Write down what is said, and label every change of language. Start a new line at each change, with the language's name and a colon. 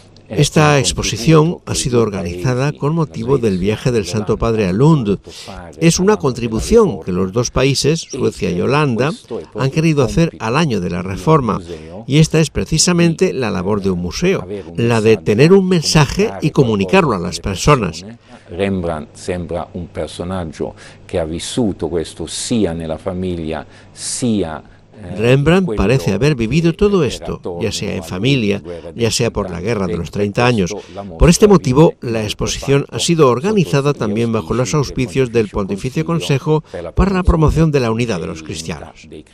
Spanish: Esta exposición ha sido organizada con motivo del viaje del Santo Padre a Lund. Es una contribución que los dos países, Suecia y Holanda, han querido hacer al año de la Reforma. Y esta es precisamente la labor de un museo, la de tener un mensaje y comunicarlo a las personas.
Italian: Rembrandt sembra un personaggio que ha vissuto questo sia nella famiglia sia.
Spanish: Rembrandt parece haber vivido todo esto, ya sea en familia, ya sea por la Guerra de los 30 años. Por este motivo, la exposición ha sido organizada también bajo los auspicios del Pontificio Consejo para la Promoción de la Unidad de los Cristianos.